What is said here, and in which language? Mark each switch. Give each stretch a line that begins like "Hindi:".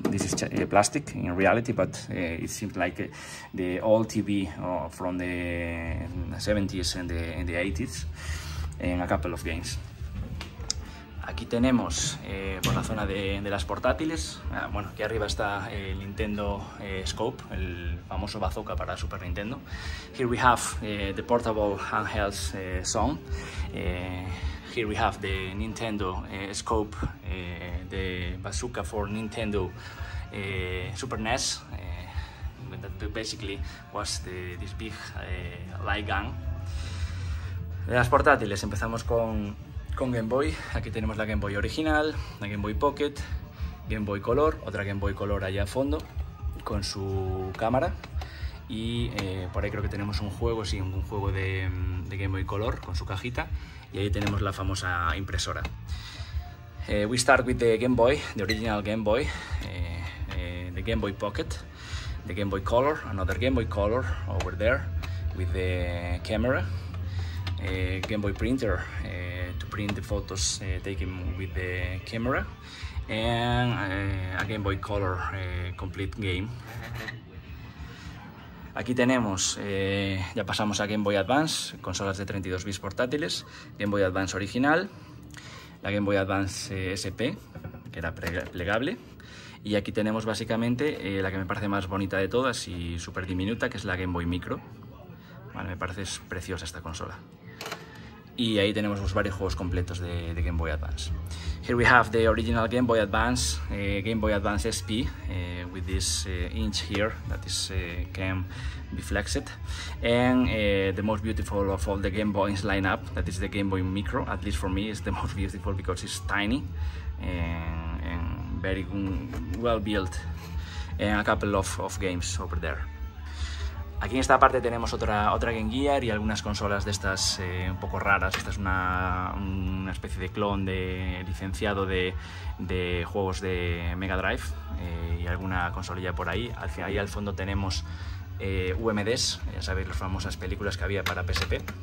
English: This is plastic in reality, but it seems like the old TV from the 70s and the 80s, and a couple of games.
Spanish: Aquí tenemos por la zona de las portátiles. Bueno, aquí arriba está el Nintendo Scope, el famoso bazooka para Super Nintendo.
English: Here we have the portable handheld sound. Here we have the Nintendo Scope, the bazooka for Nintendo Super NES. That basically was this big light gun.
Spanish: De las portátiles empezamos con Game Boy. Aquí tenemos la Game Boy original, la Game Boy Pocket, Game Boy Color, otra Game Boy Color allá al fondo con su cámara. Y por ahí creo que tenemos un juego, sí, un juego de Game Boy Color con su cajita. Y ahí tenemos la famosa impresora.
English: We start with the Game Boy, the original Game Boy, the Game Boy Pocket, the Game Boy Color, another Game Boy Color over there with the camera, Game Boy printer to print the photos taken with the camera, and a Game Boy Color complete game.
Spanish: Aquí tenemos, ya pasamos a Game Boy Advance, consolas de 32 bits portátiles, Game Boy Advance original, la Game Boy Advance SP, que era plegable, y aquí tenemos básicamente la que me parece más bonita de todas y súper diminuta, que es la Game Boy Micro. Vale, me parece preciosa esta consola. Y ahí tenemos los varios juegos completos de Game Boy Advance.
English: Here we have the original Game Boy Advance SP with this inch here that is can be flexed, and the most beautiful of all the Game Boys lineup, that is the Game Boy Micro. At least for me, is the most beautiful because it's tiny and very well built, and a couple of games over there.
Spanish: Aquí en esta parte tenemos otra Game Gear y algunas consolas de estas un poco raras. Esta es una especie de clon de licenciado de juegos de Mega Drive y alguna consolilla por ahí. Ahí al fondo tenemos UMDs, ya sabéis, las famosas películas que había para PSP.